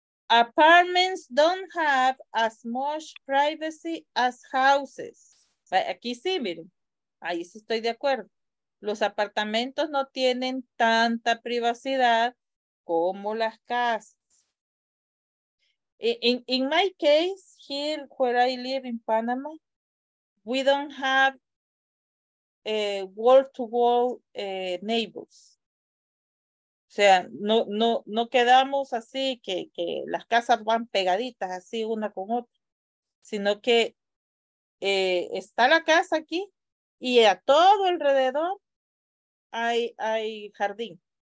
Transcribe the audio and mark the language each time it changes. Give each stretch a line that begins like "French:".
English: Apartments don't have as much privacy as houses.
Spanish: Aquí sí, miren. Ahí sí estoy de acuerdo. Los apartamentos no tienen tanta privacidad como las casas.
English: In my case, here where I live in Panama, we don't have wall-to-wall neighbors.
Spanish: O sea, no quedamos así que las casas van pegaditas así una con otra, sino que está la casa aquí y a todo alrededor hay jardín.